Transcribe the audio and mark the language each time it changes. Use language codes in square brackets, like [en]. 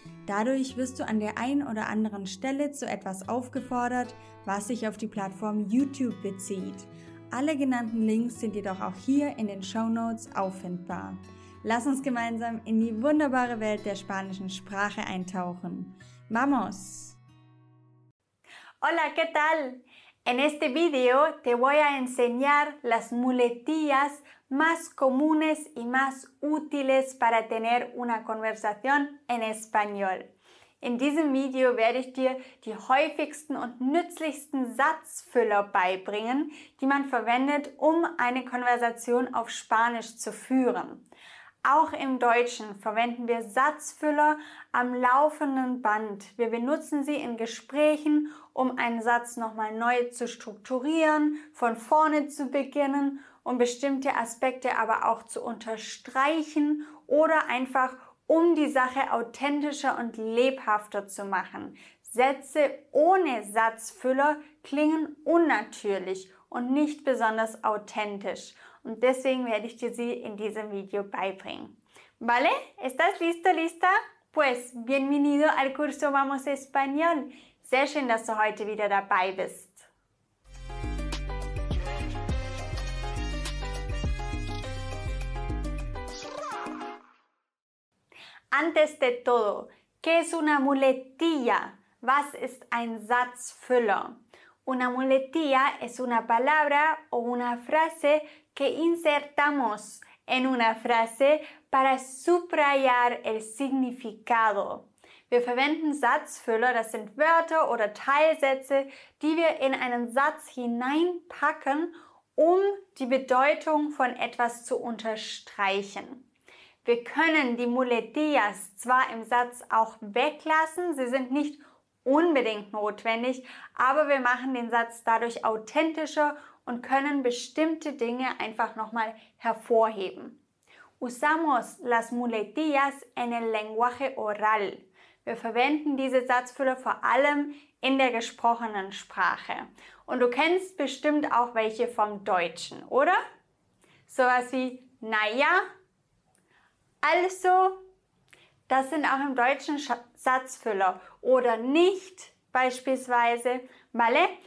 [de] Dadurch wirst du an der einen oder anderen Stelle zu etwas aufgefordert, was sich auf die Plattform YouTube bezieht. Alle genannten Links sind jedoch auch hier in den Shownotes auffindbar. Lass uns gemeinsam in die wunderbare Welt der spanischen Sprache eintauchen. [es] ¡Vamos! Hola, ¿qué tal? En este video te voy a enseñar las muletillas más comunes y más útiles para tener una conversación en español. [de] In diesem Video werde ich dir die häufigsten und nützlichsten Satzfüller beibringen, die man verwendet, um eine Konversation auf Spanisch zu führen. Auch im Deutschen verwenden wir Satzfüller am laufenden Band. Wir benutzen sie in Gesprächen, um einen Satz nochmal neu zu strukturieren, von vorne zu beginnen, um bestimmte Aspekte aber auch zu unterstreichen oder einfach um die Sache authentischer und lebhafter zu machen. Sätze ohne Satzfüller klingen unnatürlich und nicht besonders authentisch. Und deswegen werde ich dir sie in diesem Video beibringen. [es] ¿Vale? ¿Estás listo, lista? Pues, bienvenido al curso Vamos Español. [de] Sehr schön, dass du heute wieder dabei bist. [es] Antes de todo, ¿qué es una muletilla? [de] Was ist ein Satzfüller? [es] Una muletilla es una palabra o una frase que insertamos en una frase para subrayar el significado. [de] Wir verwenden Satzfüller, das sind Wörter oder Teilsätze, die wir in einen Satz hineinpacken, um die Bedeutung von etwas zu unterstreichen. Wir können die Muletillas zwar im Satz auch weglassen, sie sind nicht unbedingt notwendig, aber wir machen den Satz dadurch authentischer und können bestimmte Dinge einfach nochmal hervorheben. [es] Usamos las muletillas en el lenguaje oral. [de] Wir verwenden diese Satzfüller vor allem in der gesprochenen Sprache. Und du kennst bestimmt auch welche vom Deutschen, oder? Sowas wie naja. Also, das sind auch im Deutschen Satzfüller oder nicht beispielsweise, ¿vale?